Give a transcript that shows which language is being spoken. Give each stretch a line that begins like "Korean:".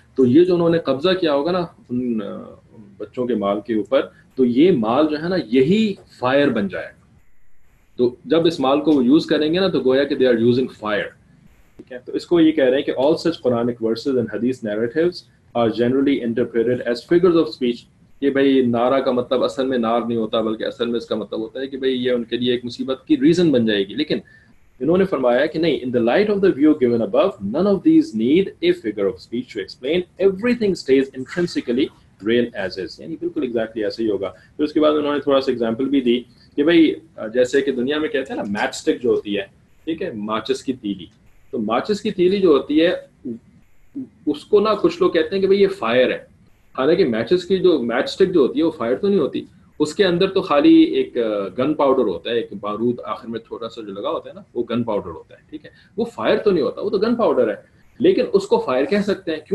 Urdu: تو یہ جو انہوں نے قبضہ کیا ہوگا نا ان بچوں کے مال کے اوپر, تو یہ مال جو ہے نا یہی فائر بن جائے, تو جب اس مال کو وہ یوز کریں گے نا تو گویا کہ
English: They are using fire.
Urdu: ٹھیک ہے, تو اس کو یہ کہہ رہے ہیں کہ
English: all such Quranic verses and حدیث narratives are generally interpreted as figures of speech
Urdu: کہ بھائی نارا کا مطلب اصل میں نار نہیں ہوتا بلکہ اصل میں اس کا مطلب ہوتا ہے کہ بھائی یہ ان کے لیے ایک مصیبت کی ریزن بن جائے گی. لیکن انہوں نے فرمایا کہ نہیں,
English: in the light of the view given above none of these need a figure of speech to explain, everything stays intrinsically real as is,
Urdu: یعنی بالکل ایگزیکٹلی ایسا ہی ہوگا. پھر اس کے بعد انہوں نے تھوڑا سا ایگزامپل بھی دی کہ بھائی جیسے کہ دنیا میں کہتے ہیں نا میچ اسٹک جو ہوتی ہے, ٹھیک ہے, ماچس کی تیلی, تو ماچس کی تیلی جو ہوتی ہے اس کو نا کچھ لوگ کہتے ہیں کہ بھائی یہ فائر ہے, حالانکہ میچز کی جو میچ اسٹک جو ہوتی ہے وہ فائر تو نہیں ہوتی, اس کے اندر تو خالی ایک گن پاؤڈر ہوتا ہے, ایک بارود آخر میں تھوڑا سا جو لگا ہوتا ہے نا وہ گن پاؤڈر ہوتا ہے, ٹھیک ہے, وہ فائر تو نہیں ہوتا, وہ تو گن پاؤڈر ہے, لیکن اس کو فائر کہہ سکتے ہیں.